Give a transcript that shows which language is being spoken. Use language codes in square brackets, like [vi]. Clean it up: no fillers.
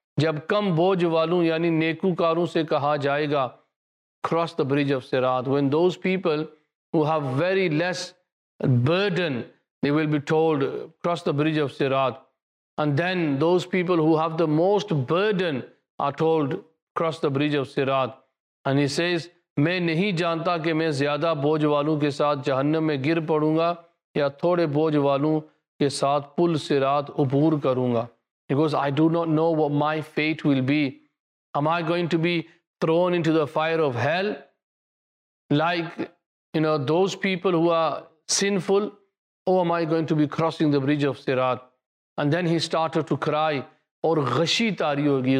[ur] Jab kam bojh walon yani nekukaron se kaha jayega, [en] cross the bridge of Sirat. When those people who have very less burden, they will be told, cross the bridge of Sirat. And then those people who have the most burden are told, cross the bridge of Sirat. And he says, [ur] میں نہیں جانتا کہ میں زیادہ بوجھ والوں کے ساتھ جہنم میں گر پڑوں گا یا تھوڑے بوجھ والوں کے ساتھ پل صراط عبور کروں گا. [en] He goes, I do not know what my fate will be. Am I going to be thrown into the fire of hell like, you know, those people who are sinful, or am I going to be crossing the bridge of Sirat? And then he started to cry. [ur] Aur ghashi tari hogi.